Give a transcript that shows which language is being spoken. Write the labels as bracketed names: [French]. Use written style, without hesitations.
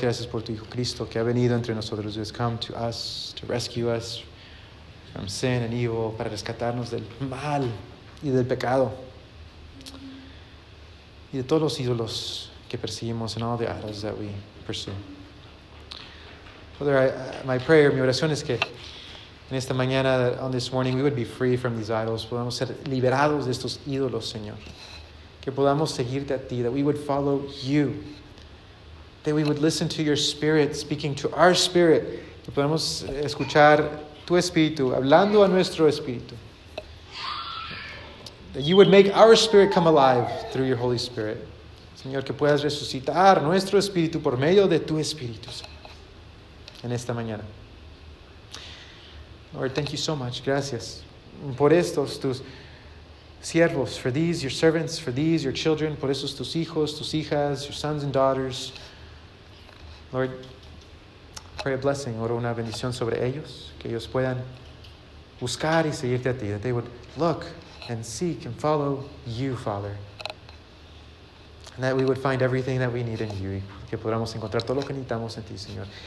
[Spanish] Gracias por tu Hijo Cristo, que ha venido entre nosotros, [English] who has come to us to rescue us from sin and evil, [Spanish] para rescatarnos del mal y del pecado, y de todos los ídolos que perseguimos, [English] and all the idols that we pursue. Father, my prayer, [Spanish] mi oración es que En esta mañana, [English] on this morning, we would be free from these idols. [Spanish] Podamos ser liberados de estos ídolos, Señor. Que podamos seguirte a ti. [English] That we would follow you. That we would listen to your spirit speaking to our spirit. [Spanish] Que podamos escuchar tu espíritu hablando a nuestro espíritu. [English] That you would make our spirit come alive through your Holy Spirit. [Spanish] Señor, que puedas resucitar nuestro espíritu por medio de tu espíritu. En esta mañana. [English] Lord, thank you so much. [Spanish] Gracias. Por estos tus siervos, [English] for these your servants, for these your children, [Spanish] por esos tus hijos, tus hijas, [English] your sons and daughters. Lord, pray a blessing, [Spanish] oro una bendición sobre ellos, que ellos puedan buscar y seguirte a ti, [English] that they would look and seek and follow you, Father. And that we would find everything that we need in you. [Spanish] Que podamos encontrar todo lo que necesitamos en ti, Señor.